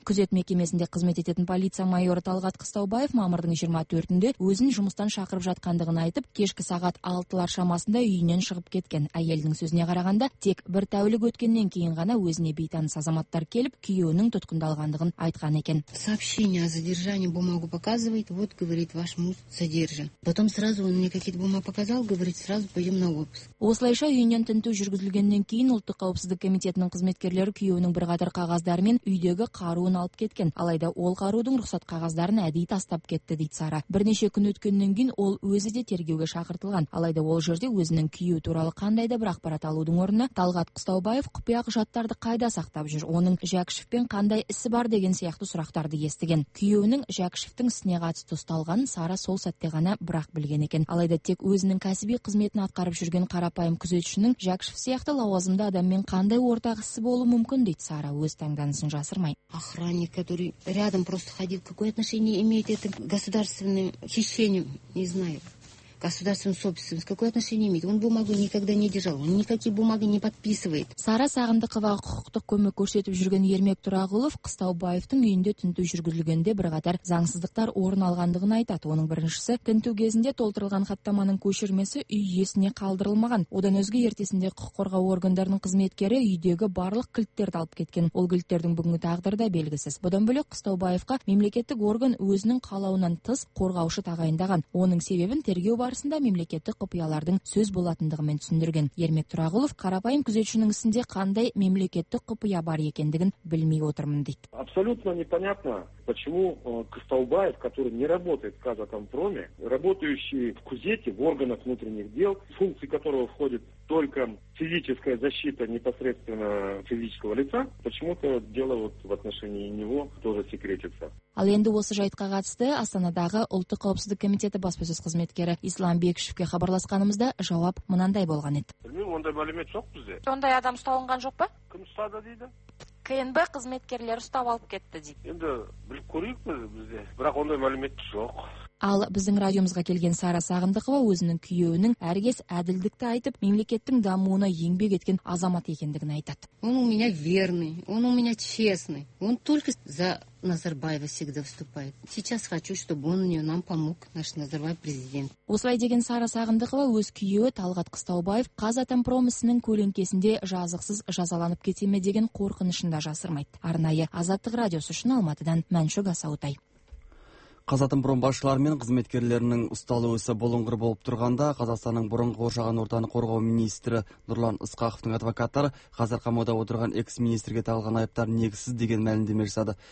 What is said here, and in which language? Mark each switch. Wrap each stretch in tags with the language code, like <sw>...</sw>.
<kk>Күзет мекемесінде қызмет ететін полиция майоры Талғат Қыстаубаев мамырдың 24-інде өзін жұмыстан шақырып жатқандығын айтып, кешкі сағат 6-лар шамасында үйінен шығып кеткен. Әйелдің сөзіне қарағанда, тек бір тәулік өткеннен кейін ғана өзіне бейтаныс азаматтар келіп, күйеуінің тұтқындалғандығын айтқан екен.</kk> <ru>Сообщение о задержании бумагу показывает, вот говорит ваш муж задержан. Потом сразу он мне какие-то бумаги показал, говорит, сразу пойдем на обыск.</ru> <kk>Осылайша үйінен тінту жүргізілгеннен кейін ұлттық қауіпсіздік комитетінің қызметкерлері күйеуінің бірқатар қағаздары мен үйдегі қаруын алып кеткен. Алайда ол қарудың рұқсат қағаздарын әдейі тастап кетті дейді Сара. Бірнеше күн өткеннен кейін ол өзі де тергеуге шақыртылған. Алайда ол жерде өзінің күйеуі туралы қандай да бір ақпарат алудың орнына Талғат Қыстаубаев құпия құжаттарды қайда сақтап жүр, оның Жәкішевпен қандай ісі бар деген сияқты сұрақтарды естіген. Күйеуінің Жәкішевтің ісіне қатысты ұсталғанын Сара сол сәтте ғана бірақ білген екен. Алайда тек өзінің кәсіби қызметін атқарып жүрген қарапайым күзетшінің Жәкішев сияқты лауазымды адаммен қандай ортақ ісі болуы мүмкін дейді Сара, өз таңданысын жасырмай.</kk> <ru>Охранник, который рядом просто ходил, какое отношение имеет это к государственным хищениям, не знаю. Государственным собственным, какое отношение имеет? Он бумагу никогда не держал, он никакие бумаги не подписывает.</ru> <kk>Сара Сағындықова құқықтық көмек көрсетіп жүрген Ермек Тұрағұлов Қыстаубаевтың үйінде тінту жүргізілгенде бірқатар заңсыздықтар орын алғандығын айтады. Оның біріншісі, тінту кезінде толтырылған хаттаманың көшірмесі үй иесіне қалдырылмаған. Одан өзге ертесінде құқық қорғау органдарының қызметкері үйдегі барлық кілттерді алып кеткен. Ол кілттердің бүгінгі тағдыры да белгісіз. Бұдан бөлек Қыстаубаевқа мемлекеттік орган өзінің қалауынан тыс қорғаушы тағайындаған. Оның себебін тергеу барысында мемлекеттік құпиялардың сөз болатындығымен түсіндірген. Ермек Тұрағұлов қарапайым күзетшінің ісінде қандай мемлекеттік құпия бар екендігін білмей отырмын дейді.</kk> <ru>Абсолютно непонятно, почему Костолбаев, который не работает в Казатомпроме, работающий в Кузете, в органах внутренних дел, функции которого входит только физическая защита непосредственно физического лица, почему-то дело вот в отношении него тоже секретится.</ru> <kk>Ал енді осы жайтқа қатысты Астанадағы Ұлттық қауіпсіздік комитеті баспасөз қызметкері Ислам Бекшевке хабарласқанымызда жауап мынандай болған еді. Білмеймін, ондай мәлімет жоқ бізде. Ондай адам ұсталынған жоқ па? Кім ұстады дейді? КНБ қызметкерлері ұстап алып кетті дейді. Енді біліп көрейік біз бізде, бірақ ондай мәлімет жоқ. Ал біздің радиомызға келген Сара Сағындықова өзінің күйеуінің әргес әділдікті айтып, мемлекеттің дамуына еңбек еткен азамат екендігін айтады.</kk> <ru>Он у меня верный, он у меня честный. Он только за Назарбаева всегда выступает. Сейчас хочу, чтобы он мне нам помог, наш Назарбаев президент.</ru> <kk>Осылай деген Сара Сағындықова өз күйеуі Талғат Қыстаубаев Қазатомпромісінің көлеңкесінде жазықсыз жазаланып кете ме деген қорқынышында жасырмайды. Арнайы Азаттық радиосы үшін Алматыдан Мәншүк Асаутай. Қазатомпром басшылары мен қызметкерлерінің ұсталу ісі бұлыңғыр болып тұрғанда Қазақстанның бұрынғы қоршаған ортаны қорғау министрі Нұрлан Ысқақовтың адвокаттары қазір қамауда отырған экс-министрге тағылған айыптар негізсіз деген мәлімдеме жасады.</kk>